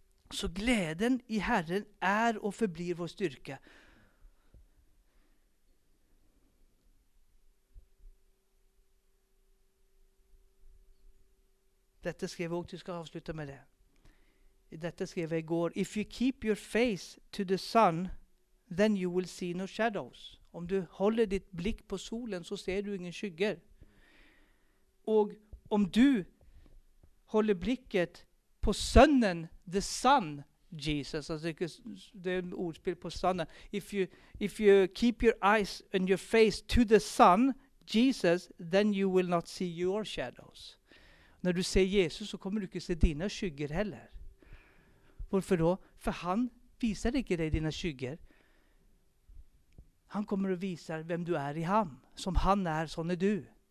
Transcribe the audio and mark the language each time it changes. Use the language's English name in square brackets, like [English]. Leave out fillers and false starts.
[Swedish] Så glädjen i Herren är och förblir vår styrka. Detta skrev jag, och du ska avsluta med det. Detta skrev jag igår. [English] If you keep your face to the sun, then you will see no shadows. [Swedish] Om du håller ditt blick på solen så ser du ingen skuggor. Och om du håller blicket på sonen, the sun, Jesus. Alltså det är en ordspel på sonen. [English] If you keep your eyes and your face to the sun, Jesus, then you will not see your shadows. [Swedish] När du ser Jesus så kommer du inte se dina skuggor heller. Varför då? För han visar inte dig dina skuggor. Han kommer att visa vem du är i han. Som han är, sån är du.